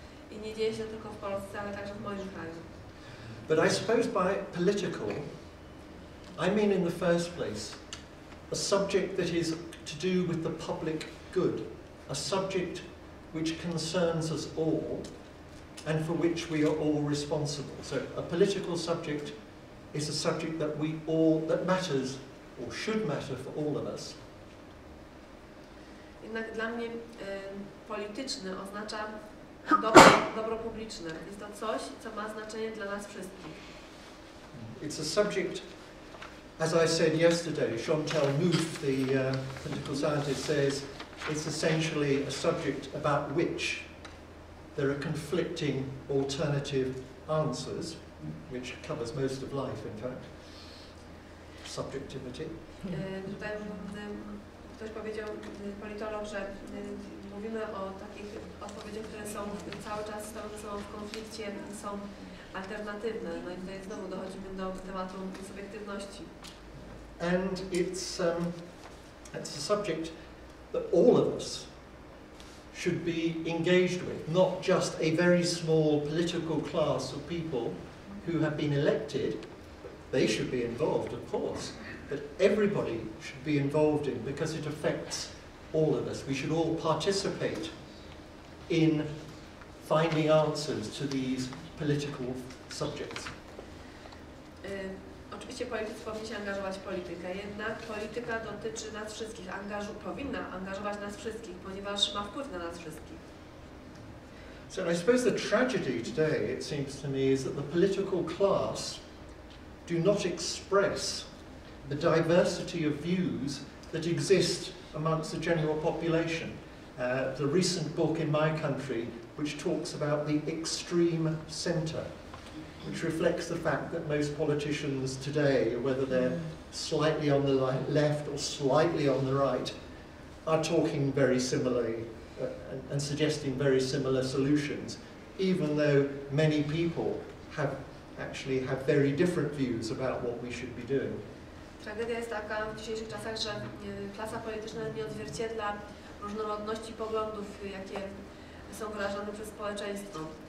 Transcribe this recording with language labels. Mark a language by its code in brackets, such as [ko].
[pl] I nie dzieje się tylko w Polsce, ale także w moim kraju. [en] But I suppose by political, I mean in the first place, a subject that is to do with the public good, a subject which concerns us all, and for which we are all responsible. So a political subject is a subject that we all, that matters, or should matter for all of us. [pl] Jednak dla mnie polityczne oznacza dobro publiczne. Jest to coś, co ma znaczenie dla nas wszystkich. [en] It's a subject, as I said yesterday, Chantal Mouffe, the political scientist, says it's essentially a subject about which there are conflicting alternative answers, which covers most of life, in fact. Subjectivity. [pl] Tutaj ktoś powiedział, politolog, że mówimy o takich odpowiedziach, które są cały czas w konflikcie, są alternatywne. No i tutaj znowu dochodzimy do tematu subiektywności. [en] And it's a subject that all of us should be engaged with, not just a very small political class of people who have been elected. They should be involved, of course, but everybody should be involved in, because it affects all of us. We should all participate in finding answers to these political subjects. [pl] Oczywiście politycy powinni się angażować w politykę, jednak polityka dotyczy nas wszystkich, powinna angażować nas wszystkich, ponieważ ma wpływ na nas wszystkich. [en] So I suppose the tragedy today, it seems to me, is that the political class do not express the diversity of views that exist amongst the general population. The recent book in my country, which talks about the extreme centre, which reflects the fact that most politicians today, whether they're slightly on the left or slightly on the right, are talking very similarly and suggesting very similar solutions, even though many people have very different views about what we should be doing. [pl] Tragedia jest taka w dzisiejszych czasach, że klasa polityczna nie odzwierciedla różnorodności poglądów, jakie są wyrażane przez społeczeństwo.